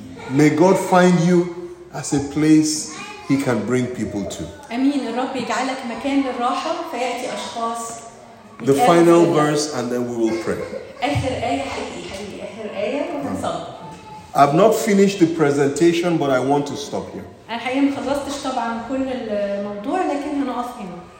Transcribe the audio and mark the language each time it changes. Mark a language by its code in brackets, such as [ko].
[en] May God find you as a place he can bring people to. [ar] امين. الرب يجعلك مكان للراحه فياتي اشخاص. [en] The final verse and then we will pray. [ar] اخر ايه حقيقي اخر ايه وهنصلي. [en] I've not finished the presentation but I want to stop here. [ar] انا حقيقي ما خلصتش طبعا كل الموضوع لكن هنقف هنا.